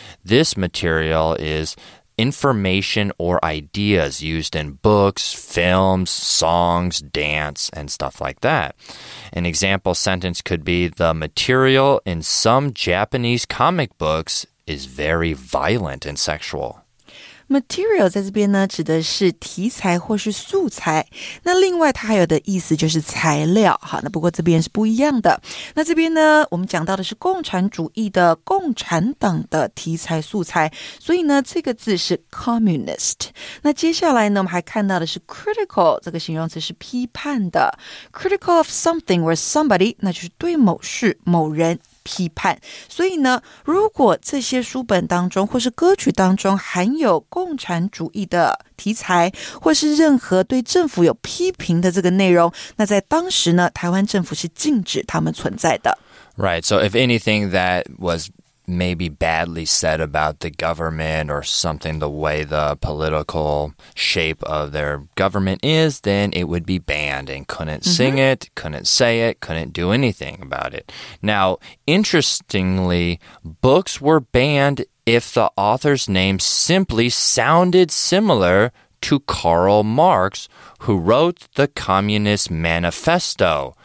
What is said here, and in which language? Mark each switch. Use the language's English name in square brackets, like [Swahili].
[English] This material is information or ideas used in books, films, songs, dance, and stuff like that. An example sentence could be, the material in some Japanese comic books is very violent and sexual. [Chinese] Material 在这边呢指的是题材或是素材，那另外它还有的意思就是材料，好，那不过这边是不一样的。那这边呢我们讲到的是共产主义的共产党的题材素材，所以呢这个字是 communist。那接下来呢我们还看到的是 critical， 这个形容词是批判的， [English] critical of something or somebody， [Chinese] 那就是对某事某人批判。所以呢，如果这些书本当中或是歌曲当中含有共产主义的题材，或是任何对政府有批评的这个内容，那在当时呢，台湾政府是禁止他们存在的。 [English] Right, so if anything that was maybe badly said about the government or something, the way the political shape of their government is, then it would be banned and couldn't sing it, couldn't say it, couldn't do anything about it. Now, interestingly, books were banned if the author's name simply sounded similar to Karl Marx, who wrote the Communist Manifesto.